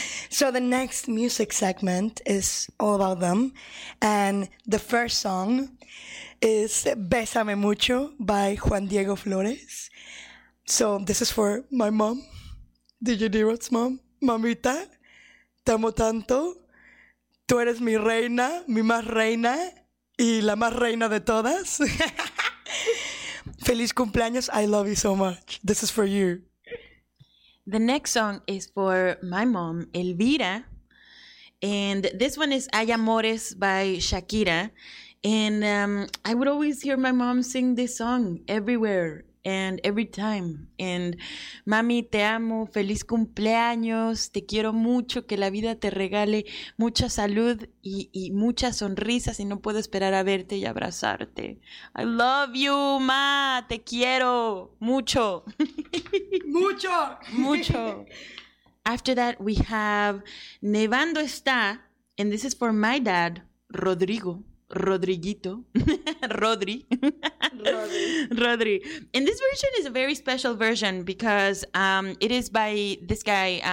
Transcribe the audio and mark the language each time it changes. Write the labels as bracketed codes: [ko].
[en] So the next music segment is all about them. And the first song is Bésame Mucho by Juan Diego Flores. So this is for my mom, DJ D-Rod's mom, mamita. [es] Te amo tanto, tú eres mi reina, mi más reina, y la más reina de todas. Feliz cumpleaños. [en] I love you so much. This is for you. The next song is for my mom, Elvira. And this one is Hay Amores by Shakira. And I would always hear my mom sing this song everywhere and every time. [es] And mami, te amo, feliz cumpleaños, te quiero mucho, que la vida te regale mucha salud y muchas sonrisas y no puedo esperar a verte y abrazarte. [en] I love you, ma, [es] te quiero mucho. Mucho. Mucho. [en] After that, we have Nevando Está, and this is for my dad, Rodrigo. Rodriguito. Rodri. Rodri. Rodri. And this version is a very special version because it is by this guy.